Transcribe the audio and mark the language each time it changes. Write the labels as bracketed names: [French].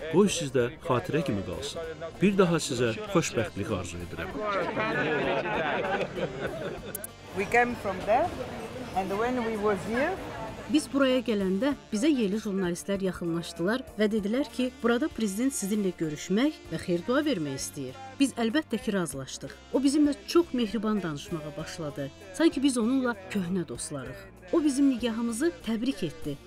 [Azerbaijani] Qoy sizdə xatirə kimi qalsın. Bir daha sizə xoşbəxtlik arzu edirəm. [English] We came from there and when we was here. [Azerbaijani] Biz buraya gələndə bizə yerli jurnalistlər yaxınlaşdılar və dedilər ki, burada prezident sizinlə görüşmək və xeyir dua vermək istəyir. Biz əlbəttə ki, razılaşdıq. O bizimlə çox mehriban danışmağa başladı. Sanki biz onunla köhnə dostlarıq. O bizim nigahımızı təbrik etdi.